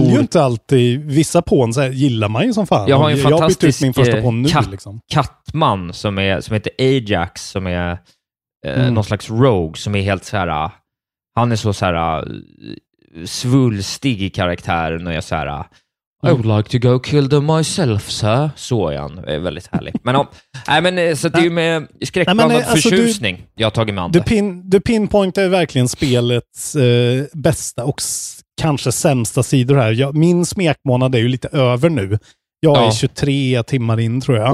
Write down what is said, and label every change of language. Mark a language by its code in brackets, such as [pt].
[sv] vill ju inte alltid, vissa pån så här, gillar man ju som fan. Jag har en fantastisk kattman som heter Ajax, som är någon slags rogue, som är helt så här. Han är så här svulstig i karaktären och är så här. [en] I would like to go kill them myself, sir. [sv] Så är han. Det är väldigt härligt. Men, så det är ju med skräckblandad förtjusning jag har tagit mig an det. Du pinpointar verkligen spelets bästa och kanske sämsta sidor här. Min smekmånad är ju lite över nu. Jag är 23 timmar in, tror jag.